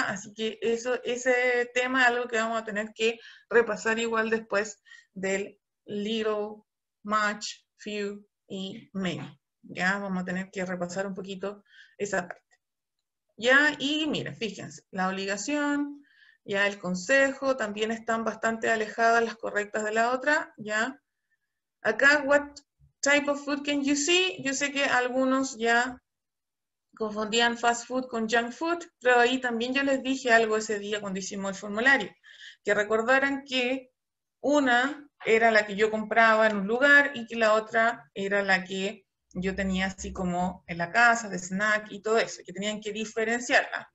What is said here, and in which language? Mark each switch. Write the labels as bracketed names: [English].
[Spanish] Así que eso, ese tema es algo que vamos a tener que repasar igual después del little, match, few y many, ¿ya? Vamos a tener que repasar un poquito esa parte, ¿ya? Y miren, fíjense, la obligación, ya el consejo, también están bastante alejadas las correctas de la otra, ¿ya? [English] Acá, what type of food can you see? [Spanish] Yo sé que algunos ya confundían fast food con junk food, pero ahí también yo les dije algo ese día cuando hicimos el formulario. Que recordaran que Una era la que yo compraba en un lugar y que la otra era la que yo tenía así como en la casa, de snack y todo eso, que tenían que diferenciarla.